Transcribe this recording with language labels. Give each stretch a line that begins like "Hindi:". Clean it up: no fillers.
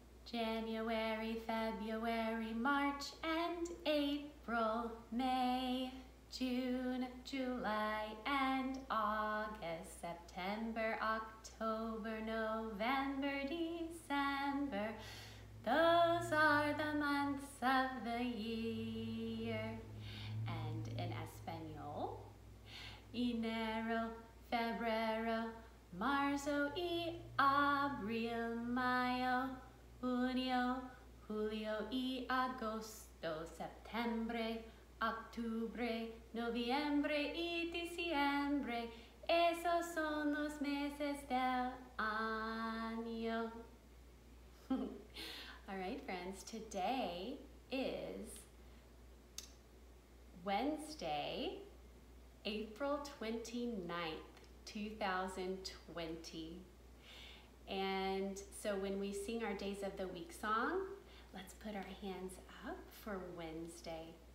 English: January, February, March, and April, May, June, July, and August, September, October, November, December. Those are the months of the year. And in
Spanish: Espanol, enero, febrero, marzo y abril, mayo, junio, julio y agosto, septiembre, octubre, noviembre y diciembre. Esos son los meses del año.
English: All right, friends, today is Wednesday, April 29th. 2020. And so when we sing our days of the week song, let's put our hands up for Wednesday.